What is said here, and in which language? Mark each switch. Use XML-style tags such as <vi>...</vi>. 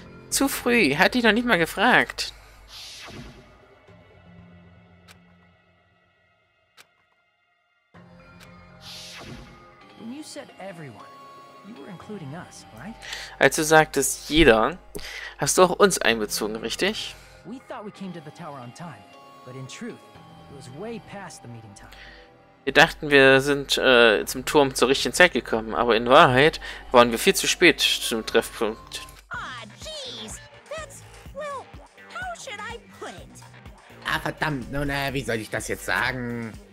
<de>Zu früh, hat dich noch nicht mal gefragt.</de> <en>When you said everyone. You were including us, right?</en> <de>Als du sagtest, jeder, hast du auch uns einbezogen, richtig?</de> <en>We thought we came to the tower on time, but in truth, it was way past the meeting time.</en> <de>Wir dachten, wir sind zum Turm zur richtigen Zeit gekommen, aber in Wahrheit waren wir viel zu spät zum Treffpunkt.</de> <en>Ah, jeez, that's, well, how should I put it?</en> <de>Ah, verdammt, nun, wie soll ich das jetzt sagen?</de>